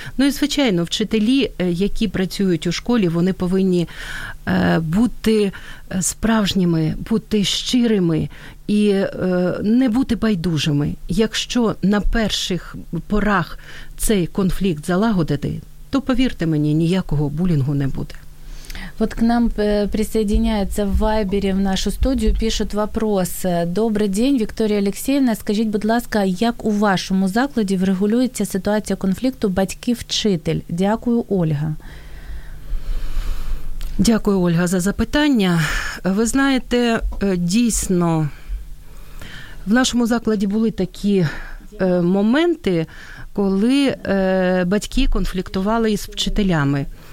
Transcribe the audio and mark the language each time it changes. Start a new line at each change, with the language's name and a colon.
Ukrainian: Ну і, звичайно, вчителі, які працюють у школі, вони повинні бути справжніми, бути щирими і не бути байдужими. Якщо на перших порах цей конфлікт залагодити, то, повірте мені, ніякого булінгу не буде.
Russian: Вот к нам присоединяется в Вайбере, в нашу студию, пишут вопрос. Добрый день,
Ukrainian: Виктория Алексеевна,
Russian: скажите,
Ukrainian: будь ласка, як у вашому закладі врегулюється ситуація конфлікту батьки-вчитель? Дякую, Ольга. Дякую, Ольга, за запитання. Ви знаєте, дійсно, в нашому закладі були такі моменти, коли батьки конфліктували із вчителями.